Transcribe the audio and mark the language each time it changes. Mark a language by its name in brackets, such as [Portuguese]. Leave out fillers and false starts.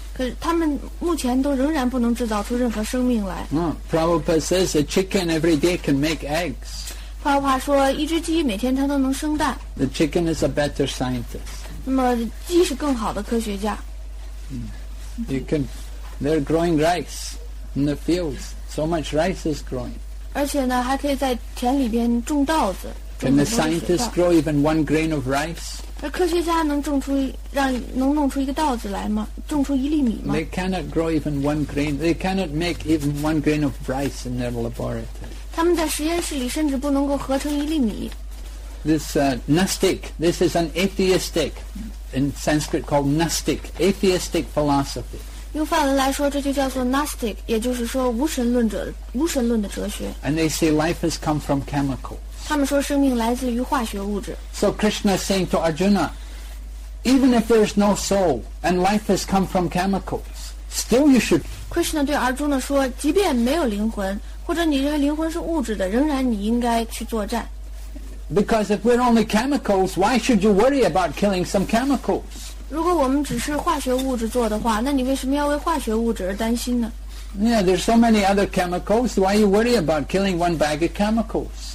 [Chinese] 可是他们目前都仍然不能制造出任何生命来。 [English] Prabhupada says a chicken every day can make eggs. [Chinese] 帕帕说一只鸡每天它都能生蛋。 [English] The chicken is a better scientist. [Chinese] 那么鸡是更好的科学家。 [English] You can, they're growing rice in the fields. So much rice is growing. [Chinese] 而且呢还可以在田里边种稻子。 [English] Can the scientists grow even one grain of rice? [Chinese] 而科学家能种出让能弄出一个稻子来吗种出一粒米吗 [English] They cannot grow even one grain. They cannot make even one grain of rice in their laboratory. [Chinese] 他们在实验室里甚至不能够合成一粒米。 [English] This Gnostic, this is an atheistic, in Sanskrit called Gnostic, atheistic philosophy. [Chinese] 用梵文来说这就叫做 Gnostic, 也就是说无神论者无神论的哲学。 [English] And they say life has come from chemicals. [Chinese] 他们说生命来自于化学物质。 [English] So Krishna is saying to Arjuna, even if there is no soul and life has come from chemicals, still you should. [Chinese] Krishna 对 Arjuna 说，即便没有灵魂，或者你认为灵魂是物质的，仍然你应该去作战。 [English] Because if we're only chemicals, why should you worry about killing some chemicals? [Chinese] 如果我们只是化学物质做的话，那你为什么要为化学物质而担心呢 [English] ？Yeah, there's so many other chemicals. Why you worry about killing one bag of chemicals?